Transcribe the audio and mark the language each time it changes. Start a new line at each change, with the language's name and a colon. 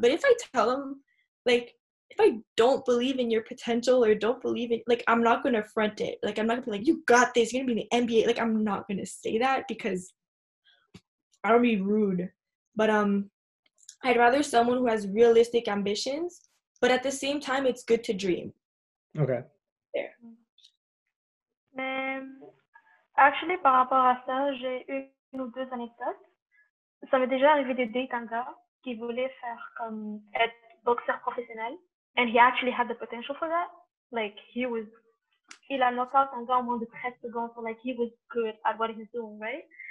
English: But if I tell them, like, if I don't believe in your potential, or don't believe in, like, I'm not going to front it. Like, I'm not going to be like, you got this, you're going to be in the NBA. Like, I'm not going to say that, because I don't be rude. But I'd rather someone who has realistic ambitions, but at the same time, it's good to dream. Okay. There.
French: Mais actually, par rapport à ça, j'ai une ou deux anecdotes. Ça m'est déjà arrivé de date un gars qui voulait faire comme être boxeur professionnel.
English: And he actually had the potential for that. Like, he was...
French: Il a knocked out un gars en moins de 13 secondes.
English: So, like, he was good at what he's doing, right?